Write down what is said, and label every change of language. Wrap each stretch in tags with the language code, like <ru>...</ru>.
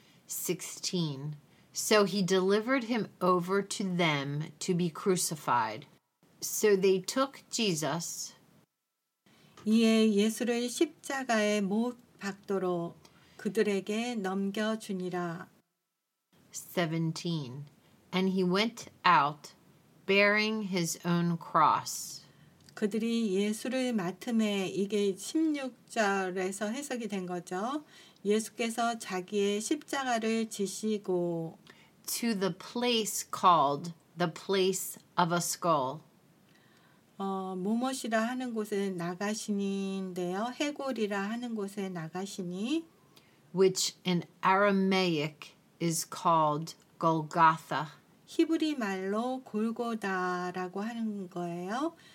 <en>16. So he delivered him over to them to be crucified. So they took Jesus.</en> <ko>이에 예수를 십자가에 못 박도록 그들에게 넘겨주니라.</ko> <en>17. And he went out bearing his own cross.</en> <ko>그들이 예수를 맡음에 이게 16절에서 해석이 된 거죠. 예수께서 자기의 십자가를 지시고</ko> <en>To the place called the place of a skull.</en> <ko>무엇이라 하는 곳에 나가시니인데요. 해골이라 하는 곳에 나가시니</ko> <en>Which in Aramaic is called Golgotha.</en> <ko>히브리 말로 골고다라고 하는 거예요.</ko>